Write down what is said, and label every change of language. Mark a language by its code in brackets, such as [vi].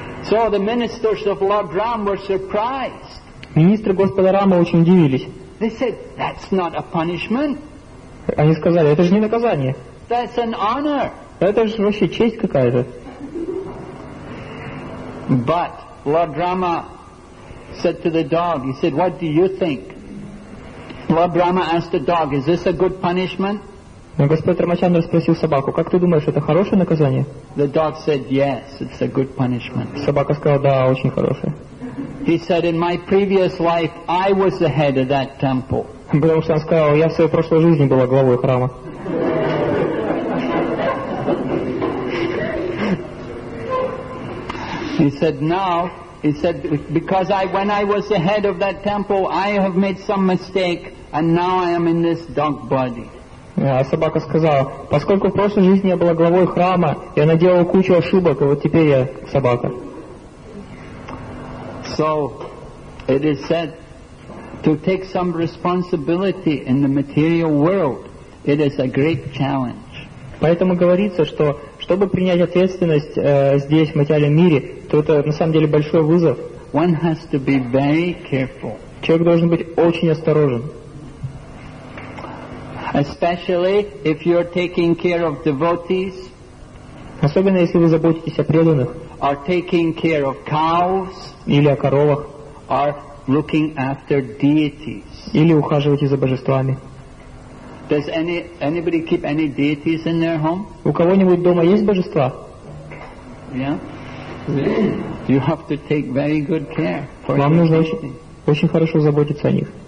[en] So the ministers of Lord Ram were surprised. [ru] Министры Господа Рама очень удивились. [en] They said, that's not a punishment. [ru] Они сказали, это же не наказание. [en] That's an honor. [ru] Это же вообще честь какая-то. [en] But Lord Rama said to the dog, he said, what do you think? Lord Rama asked the dog, is this a good punishment? [ru] Но Господь Рамачандра спросил собаку, как ты думаешь, это хорошее наказание? [en] The dog said, yes, it's a good punishment. [ru] Собака сказала, да, очень хорошее. [en] He said, in my previous life, I was the head of that temple. [ru] Потому что он сказал, я в своей прошлой жизни была главой храма. [en] He said, now, he said, because when I was the head of that temple, I have made some mistake, and now I am in this dog body. [ru] А собака сказала, поскольку в прошлой жизни я была главой храма, я наделала кучу ошибок, и вот теперь я собака. [en] So, it is said, to take some responsibility in the material world, it is a great challenge. [ru] Поэтому говорится, что чтобы принять ответственность здесь, в материальном мире, то это на самом деле большой вызов. [en] One has to be very careful. [ru] Человек должен быть очень осторожен. [en] Especially if you're taking care of devotees, [ru] особенно если вы заботитесь о преданных, [en] or taking care of cows, [ru] или о коровах, [en] or looking after deities, [ru] или ухаживаете за божествами. [en] Does anybody keep any deities in their home? [ru] У кого-нибудь дома есть божества? [en] Yeah. You have to take very good care. [ru] Вам нужно очень хорошо заботиться о них.